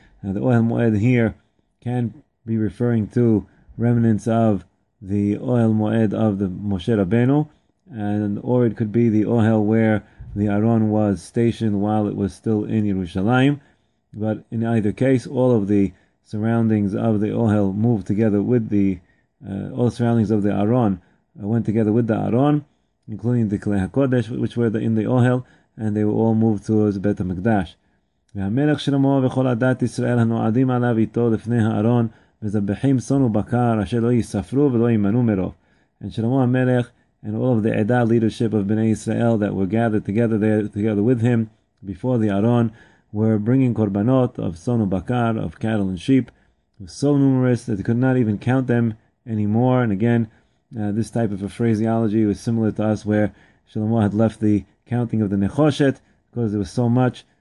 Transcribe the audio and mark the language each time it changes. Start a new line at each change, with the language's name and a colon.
English: Now, the Ohel Moed here can be referring to remnants of the Ohel Moed of the Moshe Rabbeinu, and or it could be the Ohel where the Aron was stationed while it was still in Yerushalayim. But in either case, all of the surroundings of the Ohel moved together with the all surroundings of the Aron. Went together with the Aron, including the Kleha Kodesh, which were in the Ohel, and they were all moved towards Beit HaMikdash.
Hebrew: והמלך שלמה וכל הדת ישראל הנועדים עליו איתו לפני הארון, מזבחים סון ובקר, אשר לא יספרו ולא ימנו מרוב.
English: And Shlomo HaMelech and all of the Edah leadership of Bnei Israel that were gathered together there, together with him, before the Aron, were bringing korbanot of son ubakar, of cattle and sheep, so numerous that they could not even count them anymore. And again, this type of a phraseology was similar to us, where Shlomo had left the counting of the Nechoshet because there was so much.